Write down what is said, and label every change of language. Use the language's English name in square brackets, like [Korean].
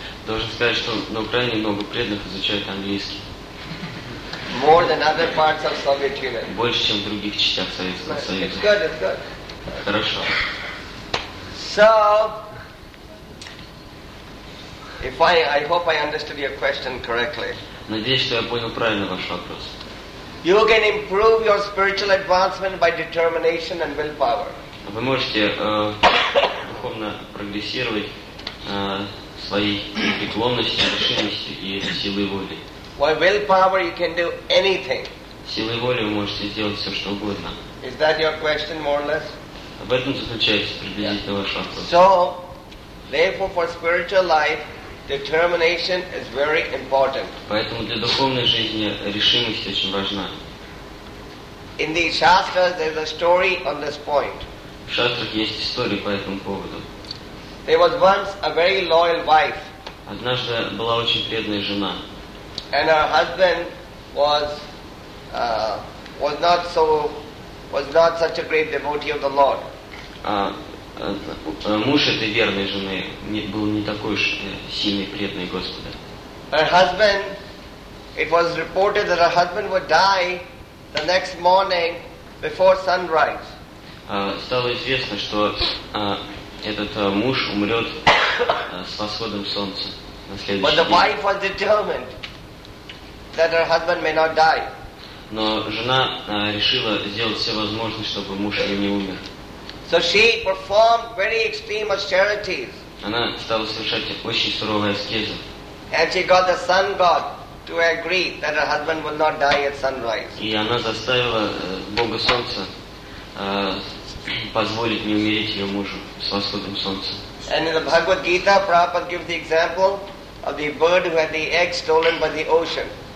[Russian] Должен сказать, что на Украине много преданных изучают английский. [English] More than other parts of Soviet Union. [Russian] Больше, чем в других частях Советского Союза. [English] It's good. [Russian] Хорошо. [English] So, if I hope I understood your question correctly. [Russian] Надеюсь, что я понял правильно ваш вопрос. [English] You can improve your spiritual advancement by determination and willpower. [Russian] Вы можете духовно прогрессировать своей преклонностью, решимостью и силой воли. [English] By willpower you can do anything. [Russian] Силой воли вы можете сделать все, что угодно. [English] Is that your question, more or less? [Russian] В этом заключается приблизительно ваш вопрос. [English] So, therefore, for spiritual life, determination is very important. [Russian] Поэтому для духовной жизни решимость очень важна. [English] In the shastras, there's a story on this point. [Russian] В шастрах есть история по этому поводу. [English] There was once a very loyal wife. [Russian] Однажды была очень преданная жена. [English] And her husband was not such a great devotee of the Lord. [Russian] Муж этой верной жены был не такой уж сильный преданный Господа. [English] Her husband, it was reported that her husband would die the next morning before sunrise. [Russian] Стало известно, что этот муж умрет с восходом солнца на следующий [English] But the wife was determined that her husband may not die. [Russian] Но жена решила сделать все возможное, чтобы муж ее не умер. [English] So she performed very extreme austerities. [Russian] Она стала совершать очень суровые аскезы. [English] And she got the sun god to agree that her husband would not die at sunrise. [Russian] И она заставила бога солнца позволить не умереть ее мужу с восходом солнца. [English] And in the Bhagavad Gita, Prabhupada gives the example of the bird who had the egg stolen by the ocean.